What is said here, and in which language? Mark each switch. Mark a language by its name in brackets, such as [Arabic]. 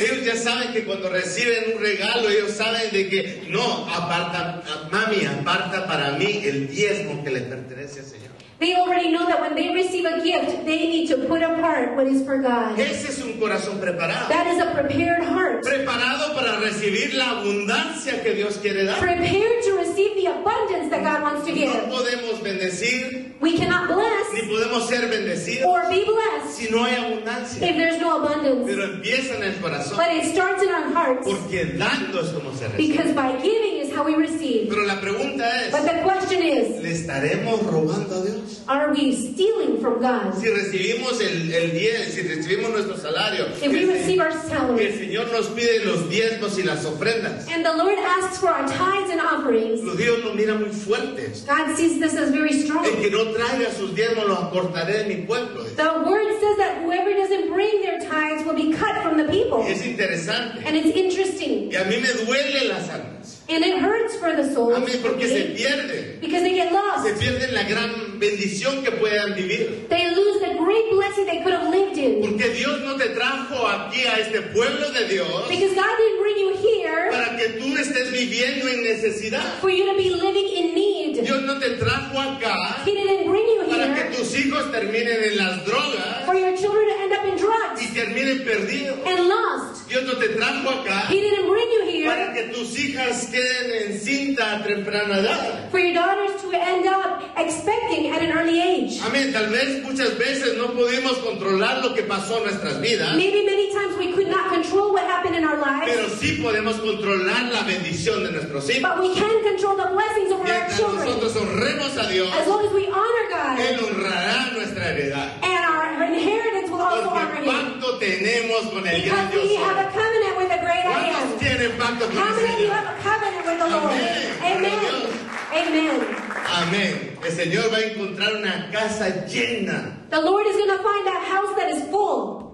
[Spanish] Ellos ya saben que cuando reciben un regalo, ellos saben de que no, aparta, mami, aparta para mí el diezmo que le pertenece al Señor. [English] They already know that when they receive a gift, they need to put apart what is for God. [Spanish] Ese es un corazón preparado. [English] That is a prepared heart. [Spanish] Preparado para recibir la abundancia que Dios quiere dar. [English] Prepared to receive the abundance that God wants to give. [Spanish] No podemos bendecir. [English] We cannot bless. [Spanish] Ni podemos ser bendecidos. [English] Or be blessed. [Spanish] Si no hay abundancia. [English] If there's no abundance. [Spanish] Pero empieza en el corazón. [English] But it starts in our hearts. [Spanish] Porque dando es como se recibe. [English] Because by giving is how we receive. [Spanish] Pero la pregunta es. [English] But the question is. [Spanish] ¿Le estaremos robando a Dios? [English] Are we stealing from God? [Spanish] Si recibimos el diez, si recibimos nuestro salario, [English] if we receive our salary, [Spanish] que el Señor nos pide los diezmos y las ofrendas, [English] and the Lord asks for our tithes and offerings, [Spanish] lo Dios lo mira muy fuerte. [English] God sees this as very strong. [Spanish] El que no traiga sus diezmos lo acortaré de mi pueblo. [English] The word says that whoever doesn't bring their tithes will be cut from the people. [Spanish] Es interesante. [English] And it's interesting. [Spanish] Y a mí me duele las almas. [English] And it hurts for the souls. [Spanish] A mí porque se pierde. [English] Because they get lost. [Spanish] Se pierden la gran bendición que puedan vivir. [English] They lose the great blessing they could have lived in. [Spanish] Porque Dios no te trajo aquí a este pueblo de Dios. [English] Because God didn't bring you here. [Spanish] Para que tú estés viviendo en necesidad. [English] For you to be living in need. [Spanish] Dios no te trajo acá. [English] He didn't bring you here. [Spanish] Para que tus hijos terminen en las drogas. [English] For your children to end up in drugs. [Spanish] Y terminen perdidos. [English] And lost. [Spanish] Dios no te trajo acá. [English] He didn't bring you here. [Spanish] Para que tus hijas queden en cinta a temprana edad. [English] For your daughters to end up expecting at an early age. [Spanish] Amén. Tal vez muchas veces no pudimos controlar lo que pasó en nuestras vidas. [English] Maybe many times we could not control what happened in our lives. [Spanish] Pero sí podemos controlar la bendición de nuestros hijos. [English] But we can control the blessings of our children. [Spanish] Mientras nosotros honremos a Dios. [English] As long as we honor God. [Spanish] Él honrará nuestra heredad. [English] And our inheritance will also honor him. [Spanish] ¿Cuánto tenemos con el gran Dios? [English] Because we have a covenant with the great I am. [Spanish] ¿Cuántos tienen pacto con el Señor? [English] You have a covenant with the Lord. [Spanish] Amén. [English] Amen. Amen. [Spanish] Amén. El Señor va a encontrar una casa llena. [English] The Lord is going to find a house that is full.